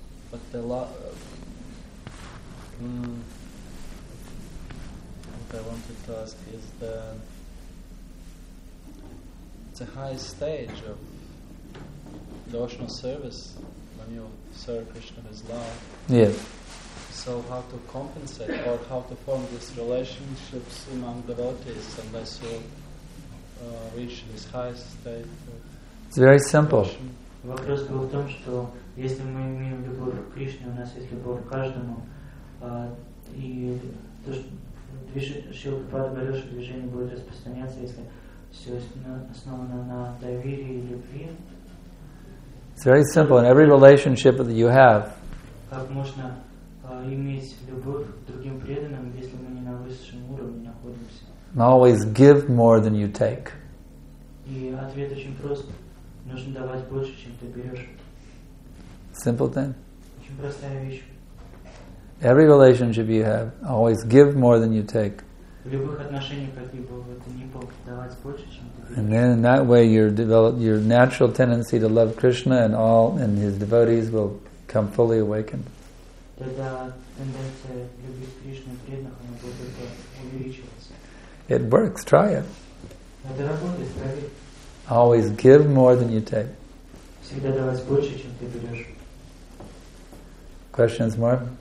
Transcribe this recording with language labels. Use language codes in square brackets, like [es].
[en] But the love. I wanted to ask is the high stage of devotional service when you serve Krishna as love. Yes. So how to compensate or how to form these relationships among devotees unless you reach this high state? It's very simple. [ru] Вопрос был в том, что если мы имеем любовь к Кришне, у нас есть любовь к каждому, и то, что Шрила Прабхупада говорил, что движение будет распространяться, если все основано на доверии и любви. [en] It's very simple. In every relationship that you have, [ru] как можно иметь любовь к другим преданным, если мы не на высшем уровне находимся? [en] And always give more than you take. [ru] И ответ очень прост. Нужно давать больше, чем ты берешь. [en] Simple thing. [ru] Очень простая вещь. [en] Every relationship you have, always give more than you take. [ru] В любых отношениях какие-либо, ты не мог давать больше, чем ты берешь. [en] And then in that way you develop your natural tendency to love Krishna and all and his devotees will come fully awakened. [ru] Тогда тенденция любить Кришну и преданных, она будет только увеличиваться. [en] It works, try it. [ru] Это работает, проверь. [en] Always give more than you take. [ru] Всегда давать больше, чем ты берешь. [en] Questions more?